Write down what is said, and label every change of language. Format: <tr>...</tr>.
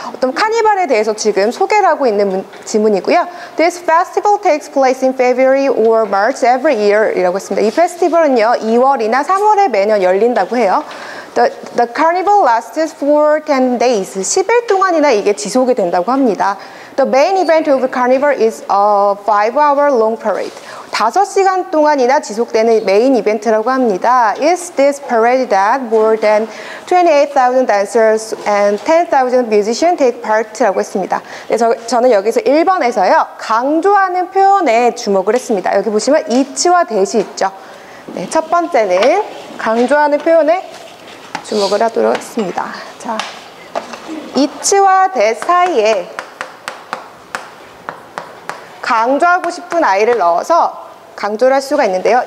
<ko>어떤 카니발에 대해서 지금 소개를 하고 있는 지문이고요.</ko> <en>This festival takes place in February or March every year</en> <ko>이라고 했습니다. 이 페스티벌은요, 2월이나 3월에 매년 열린다고 해요.</ko> <en>The carnival lasts for 10 days.</en> <ko>10일 동안이나 이게 지속이 된다고 합니다.</ko> <en>The main event of carnival is a 5-hour long parade.</en> <ko>5시간 동안이나 지속되는 메인 이벤트라고 합니다.</ko> <en>Is this parade that more than 28,000 dancers and 10,000 musicians take part</en> <ko>라고 했습니다. 네, 저는 여기서 1번에서요. 강조하는 표현에 주목을 했습니다. 여기 보시면 it와 that이 있죠. 네, 첫 번째는 강조하는 표현에 주목을 하도록 하겠습니다. 자, it와 that 사이에 강조하고 싶은 아이를 넣어서 강조를 할 수가 있는데요.</ko>